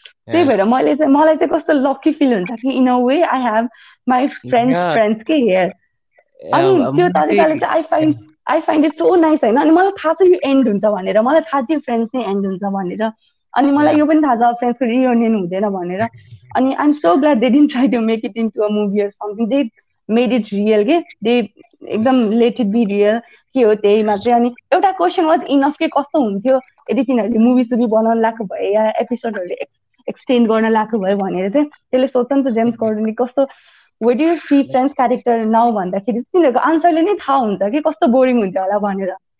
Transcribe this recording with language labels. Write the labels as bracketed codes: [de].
[ne] त्यही भएर मैले चाहिँ, मलाई चाहिँ कस्तो लक्की फिल हुन्छ कि, [en] in a way I have my friends friends [ne] के हेयर. अनि त्यो तरिकाले चाहिँ [en] I find it so nice [ne] होइन. अनि मलाई थाहा छ यो एन्ड हुन्छ भनेर, मलाई थाहा थियो फ्रेन्ड्स नै एन्ड हुन्छ भनेर. अनि मलाई यो पनि थाहा छ फ्रेन्ड्सको रियुनियन हुँदैन भनेर. [en] अनि I am so glad they didn't try to make it in to a movie or something, they made it real के, they एकदम let it be real [ne] के हो त्यही मात्रै. अनि एउटा क्वेसन वाज इनफ के, कस्तो हुन्थ्यो यदि तिनीहरूले मुभी सुभी बनाउनु लाग्नु भए या एपिसोडहरू एक्सटेन्ड गर्न लाग्नु भयो भनेर चाहिँ त्यसले सोध्छ नि त जेम्स गर्डनले, कस्तो [en] way do you see friends character now [ne] भन्दाखेरि तिनीहरूको आन्सरले नै थाहा हुन्छ कि, कस्तो बोरिङ हुन्थ्यो होला भनेर.